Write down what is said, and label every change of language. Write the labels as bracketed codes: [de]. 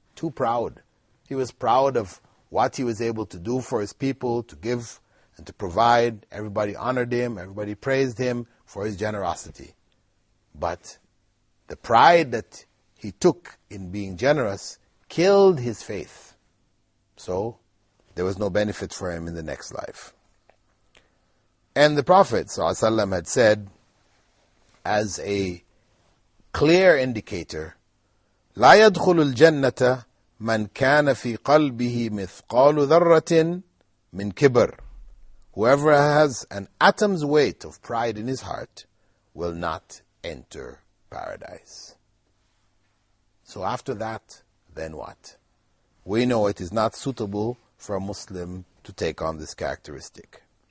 [en] Too proud. He was proud of what he was able to do for his people, to give and to provide. Everybody honored him. Everybody praised him for his generosity. But the pride that he took in being generous killed his faith. So there was no benefit for him in the next life. And the Prophet ﷺ had said, as a clear indicator, [ar] لَا يَدْخُلُ الْجَنَّةَ مَنْ كَانَ فِي قَلْبِهِ مِثْقَالُ ذَرَّةٍ مِنْ كِبْرٍ. [en] Whoever has an atom's weight of pride in his heart will not enter paradise. So after that, then what? We know it is not suitable for a Muslim to take on this characteristic.